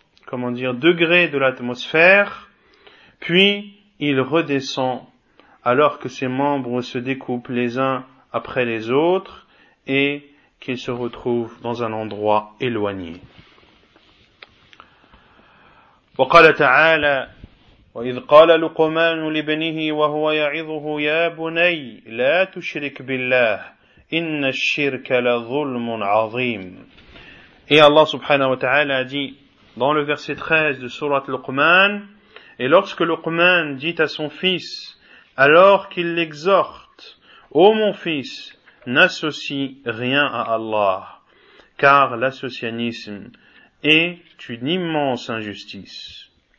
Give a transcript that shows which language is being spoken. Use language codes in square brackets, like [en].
[fr] degrés de l'atmosphère, puis il redescend alors que ses membres se découpent les uns après les autres et qu'il se retrouve dans un endroit éloigné. [ar] وقال تعالى وإذ قال لقمان لابنه وهو يعظه يا بني لا تشرك بالله إن الشرك لظلم عظيم. [fr] Et Allah subhanahu wa ta'ala a dit dans le verset 13 de sourate Luqman, et lorsque Luqman dit à son fils, alors qu'il l'exhorte, ô mon fils, n'associe rien à Allah, car l'associanisme est une immense injustice.